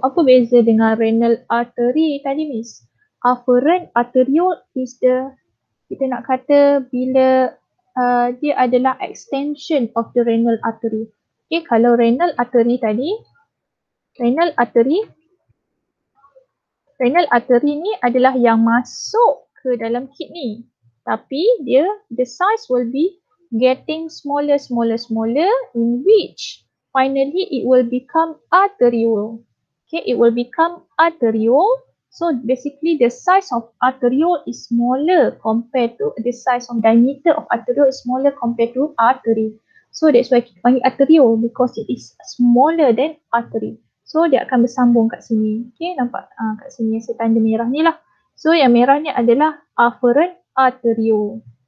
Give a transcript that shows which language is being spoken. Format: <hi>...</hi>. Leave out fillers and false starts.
<ms>Apa beza dengan renal artery tadi, Miss?</ms> <en>Afferent arteriole is the,</en> <ms>kita nak kata bila dia adalah</ms> <en>extension of the renal artery.</en> <ms>Okay, kalau renal artery tadi, renal artery ni adalah yang masuk ke dalam kidney. Tapi dia,</ms> <en>the size will be getting smaller, smaller, smaller, in which finally it will become arteriole. Okay, it will become arteriole. So basically the size of arteriole is smaller compared to the size of diameter of arteriole is smaller compared to artery. So that's why</en> <ms>kita panggil</ms> <en>arteriole, because it is smaller than artery.</en> <ms>So dia akan bersambung kat sini. Okay, nampak kat sini saya tanda merah ni lah. So yang merah ni adalah afferent arteriole.</ms>